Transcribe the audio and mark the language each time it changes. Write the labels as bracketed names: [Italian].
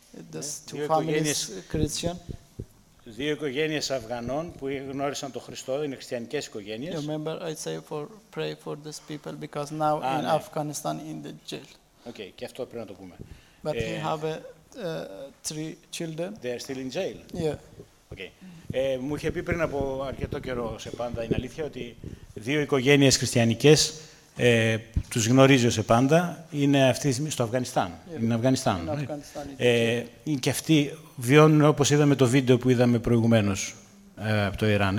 [English] This two families Christian. [Greek] Δύο οικογένειες Αφγανών που γνώρισαν τον Χριστό, είναι χριστιανικές οικογένειες. [English] You remember I say for pray for these people because now in ναι. Afghanistan in the jail. [Greek] Okay, και αυτό πρέπει να το πούμε. [English] But he have three children. They are still in jail. Yeah. Okay. [Greek] Μου είχε πει πριν από αρκετό καιρό Σεπάντα, είναι αλήθεια, ότι δύο οικογένειες χριστιανικές τους γνωρίζει ο Σεπάντα, είναι αυτοί στο Αφγανιστάν. Yeah. Είναι Αφγανιστάν. Και αυτοί βιώνουν, όπως είδαμε το βίντεο που είδαμε προηγουμένως από το Ιράν.